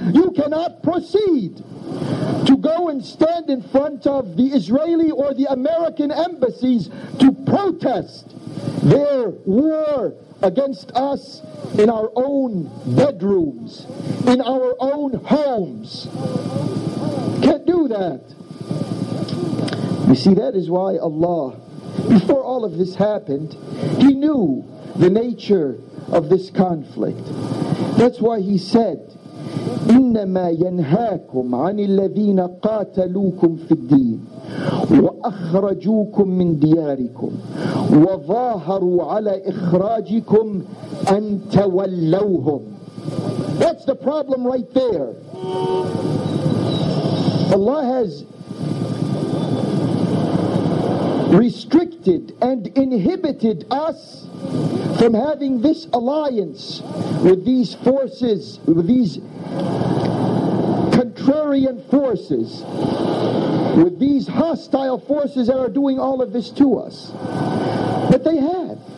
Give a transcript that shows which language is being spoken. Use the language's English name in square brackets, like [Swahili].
[English] You cannot proceed to go and stand in front of the Israeli or the American embassies to protest their war against us in our own bedrooms, in our own homes. Can't do that. You see, that is why Allah, before all of this happened, He knew the nature of this conflict. That's why He said, [Arabic] إِنَّمَا يَنْهَاكُمْ عَنِ الَّذِينَ قَاتَلُوكُمْ فِي الدِّينِ وَأَخْرَجُوكُمْ مِنْ دِيَارِكُمْ وَظَاهَرُوا عَلَى إِخْرَاجِكُمْ أَنْ تَوَلَّوْهُمْ. [English] That's the problem right there. Allah has restricted and inhibited us from having this alliance with these forces, with these contrarian forces, with these hostile forces that are doing all of this to us. But they have.